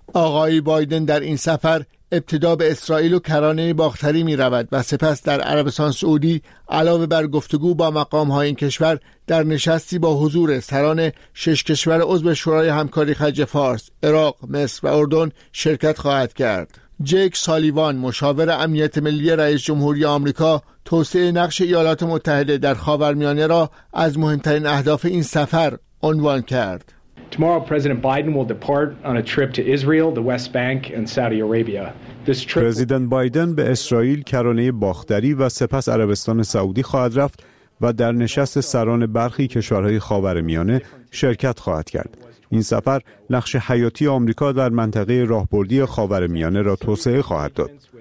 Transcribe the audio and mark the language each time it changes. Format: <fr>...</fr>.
<fa>آقای بایدن در این سفر ابتدا به اسرائیل و کرانه باختری می رود و سپس در عربستان سعودی علاوه بر گفتگو با مقام های این کشور در نشستی با حضور سران شش کشور عضو شورای همکاری خلیج فارس، عراق، مصر و اردن شرکت خواهد کرد. جیک سالیوان، مشاور امنیت ملی رئیس جمهوری آمریکا، توسعه نقش ایالات متحده در خاورمیانه را از مهمترین اهداف این سفر عنوان کرد.</fa> <en>Tomorrow President Biden will depart on a trip to Israel, the West Bank and Saudi Arabia.</en> <fa>President Biden به اسرائیل، کرانه باختری و سپس عربستان سعودی خواهد رفت و در نشست سران برخی کشورهای خاورمیانه شرکت خواهد کرد. این سفر نقش حیاتی آمریکا در منطقه راهبردی خاورمیانه را توسعه خواهد داد.</fa>